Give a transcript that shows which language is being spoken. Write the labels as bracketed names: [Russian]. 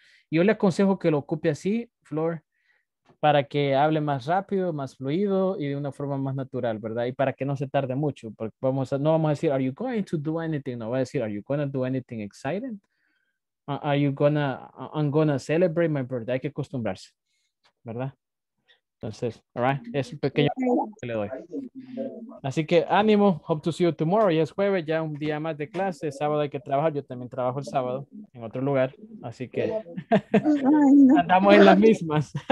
[Spanish] Yo le aconsejo que lo ocupe así, Flor, para que hable más rápido, más fluido y de una forma más natural, ¿verdad? Y para que no se tarde mucho, porque no vamos a decir, [English] are you going to do anything? [Spanish] No, voy a decir, [English] are you going to do anything exciting? I'm going to celebrate my birthday. [Spanish] Hay que acostumbrarse, ¿verdad? Entonces, all right, es un pequeño que le doy. Así que ánimo, [English] hope to see you tomorrow. [Spanish] Ya es jueves, ya un día más de clase. Sábado hay que trabajar, yo también trabajo el sábado en otro lugar, así que andamos en las mismas.